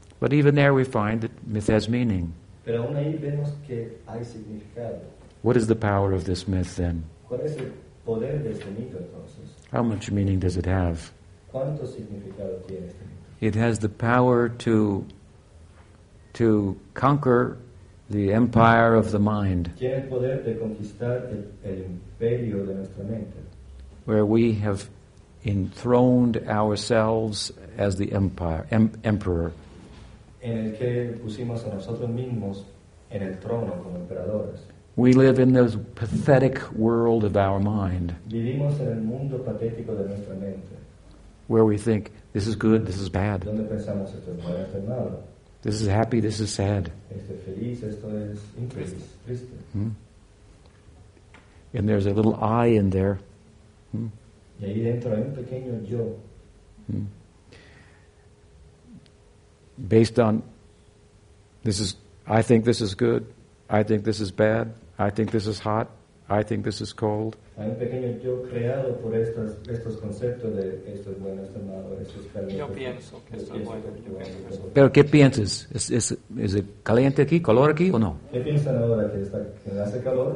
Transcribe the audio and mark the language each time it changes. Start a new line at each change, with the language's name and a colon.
English: But even there we find that myth has meaning.
Spanish: Pero aún ahí vemos que hay significado.
English: What is the power of this myth then?
Spanish: ¿Cuál es el poder de este mito, entonces?
English: How much meaning does it have?
Spanish: ¿Cuánto significado tiene este mito?
English: It has the power to conquer the empire of the mind.
Spanish: Tiene el poder de conquistar el imperio de nuestra mente.
English: Where we have enthroned ourselves as the empire, emperor.
Spanish: En el que pusimos a nosotros mismos en el trono como emperadores.
English: We live in this pathetic world of our mind.
Spanish: Vivimos en el mundo patético de nuestra mente.
English: Where we think, this is good, this is bad.
Spanish: Donde pensamos, esto es bueno, esto es malo.
English: This is happy, this is sad.
Spanish: Esto es feliz, esto es infeliz, triste.
English: And there's a little I in there.
Spanish: Y ahí dentro hay un pequeño yo.
English: Based on, this is, I think this is good, I think this is bad, I think this is hot, I think this is cold.
Spanish: Hay un pequeño yo creado por estos conceptos de esto es bueno, esto es malo, esto es caliente. Yo pienso que esto es bueno, yo pienso que pero ¿qué piensas? ¿Es it caliente aquí, calor aquí o no? ¿Qué piensan ahora que está, que hace calor?